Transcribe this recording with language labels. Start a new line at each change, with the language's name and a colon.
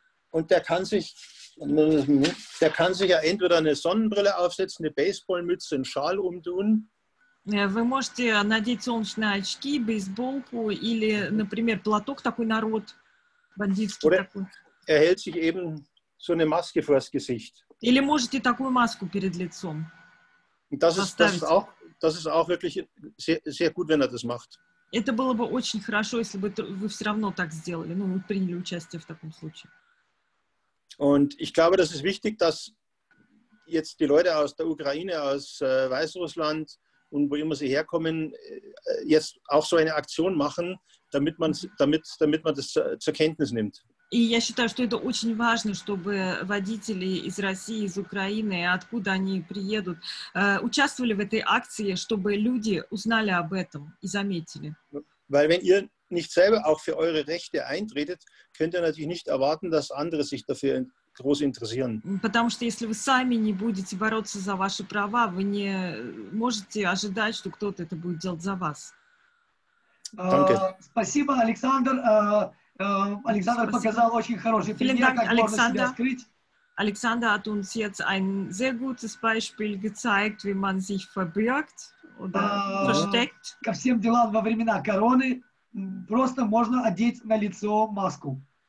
German: Und der kann sich ja entweder eine Sonnenbrille aufsetzen, eine Baseballmütze, einen Schal umtun.
Russian: Вы можете надеть солнечные очки, бейсболку или, например, платок такой народ.
German: Er hält sich eben so eine Maske vor das Gesicht.
Russian: Или можете такую маску перед лицом.
German: Das ist auch wirklich sehr, sehr gut, wenn er das macht.
Russian: Это было бы очень хорошо, если бы вы все равно так сделали, ну, приняли участие в таком случае.
German: Und ich glaube, das ist wichtig, dass jetzt die Leute aus der Ukraine, aus Weißrussland und wo immer sie herkommen, jetzt auch so eine Aktion machen, damit man das zur Kenntnis nimmt.
Russian: И я считаю, что это очень важно, чтобы водители из России, из Украины, откуда они приедут, участвовали в этой акции, чтобы люди узнали об этом и заметили.
German: Weil wenn ihr nicht selber auch für eure Rechte eintretet, könnt ihr natürlich nicht erwarten, dass andere sich dafür groß interessieren.
Russian: Потому что если вы сами не будете бороться за ваши права, вы не можете ожидать, что кто-то это будет делать за вас.
German: Danke.
Russian: Спасибо, Александр. Александр показал очень хороший пример, как можно себя скрыть.
German: Александр hat uns jetzt ein sehr gutes Beispiel gezeigt, wie man sich verbirgt oder versteckt.
Russian: Ко всем делам во времена короны. просто можно одеть на лицо маску.